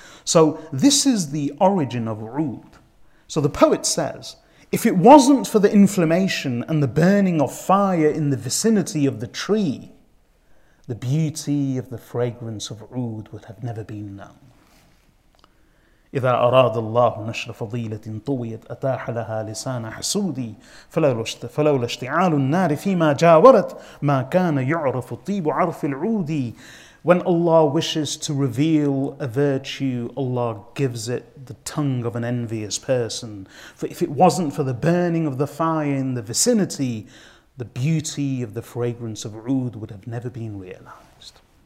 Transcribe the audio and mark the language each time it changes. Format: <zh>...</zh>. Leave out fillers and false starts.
<en>So this is the origin of oud. So the poet says, if it wasn't for the inflammation and the burning of fire in the vicinity of the tree, the beauty of the fragrance of oud would have never been known.</en> <ar>إذا أراد الله نشر فضيلة طويت أتاح لها لسان حسودي فلولا اشتعال النار فيما جاورت ما كان يعرف طيب عرف العودي</ar> <en>When Allah wishes to reveal a virtue, Allah gives it the tongue of an envious person. For if it wasn't for the burning of the fire in the vicinity, the beauty of the fragrance of oud would have never been realized.</en>